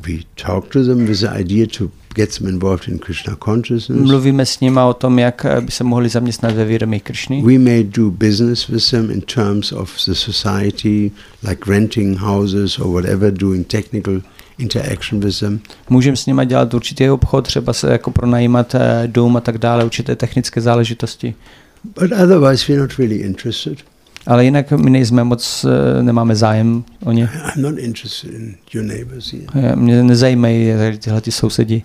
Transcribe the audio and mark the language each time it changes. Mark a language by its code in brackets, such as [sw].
[en] We talk to them with the idea to get them involved in Krishna consciousness. [cs] Mluvíme s nima o tom, jak by se mohli zaměstnat ve vědomí Krishny. [en] We may do business with them in terms of the society, like renting houses or whatever, doing technical interaction with them. [cs] Můžeme s nima dělat určitý obchod, třeba se jako pronajímat dům a tak dále, určité technické záležitosti. [en] But otherwise we're not really interested. [cs] Ale jinak my nejsme moc, nemáme zájem o ně. [en] I'm not interested in your neighbors here. [cs] Mě nezajímají tyhle ty sousedi.